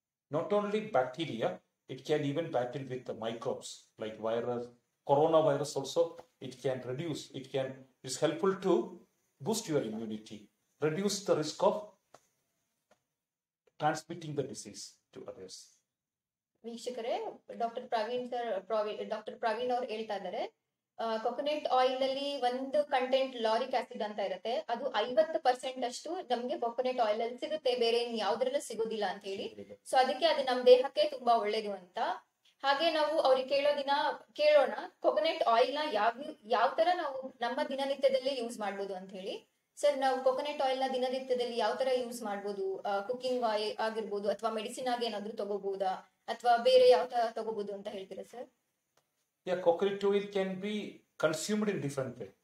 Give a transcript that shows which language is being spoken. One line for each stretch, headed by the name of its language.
English: Not only bacteria, it can even battle with the microbes like virus, coronavirus also. It can reduce, it can, it's helpful to boost your immunity, reduce the risk of transmitting the disease to others.
Kannada: ವೀಕ್ಷಕರೇ, doctor Praveen sir, doctor Praveen ಅವರು ಹೇಳ್ತಾ ಇದ್ದಾರೆ coconut oil ಅಲ್ಲಿ ಒಂದು content lauric acid ಅಂತ ಇರುತ್ತೆ, ಅದು 50% ಅಷ್ಟು ನಮ್ಗೆ ಕೊಕೊನೆಟ್ ಆಯಿಲ್ ಅಲ್ಲಿ ಸಿಗುತ್ತೆ, ಬೇರೆ ಯಾವ್ದ್ರಲ್ಲೂ ಸಿಗೋದಿಲ್ಲ ಅಂತ ಹೇಳಿ. ಸೊ ಅದಕ್ಕೆ ಅದು ನಮ್ಮ ದೇಹಕ್ಕೆ ತುಂಬಾ ಒಳ್ಳೇದು ಅಂತ. ಹಾಗೆ ನಾವು ಅವ್ರಿಗೆ ಕೇಳೋಣ ಕೊಕೊನೆಟ್ ಆಯಿಲ್ ನ ಯಾವ ತರ ನಾವು ನಮ್ಮ ದಿನನಿತ್ಯದಲ್ಲಿ ಯೂಸ್ ಮಾಡ್ಬೋದು ಅಂತ ಹೇಳಿ. ಸರ್, ನಾವು ಕೊಕೊನೆಟ್ ಆಯಿಲ್ ನ ದಿನನಿತ್ಯದಲ್ಲಿ ಯಾವ ತರ ಯೂಸ್ ಮಾಡ್ಬೋದು? ಕುಕಿಂಗ್ ಆಯಿಲ್ ಆಗಿರ್ಬೋದು ಅಥವಾ ಮೆಡಿಸಿನ್ ಆಗಿ ಏನಾದ್ರು ತಗೋಬಹುದಾ ಅಥವಾ ಬೇರೆ ಯಾವ ತರ ತಗೋಬಹುದು ಅಂತ ಹೇಳ್ತೀರಾ sir?
English: Yeah, coconut oil can be consumed in different way.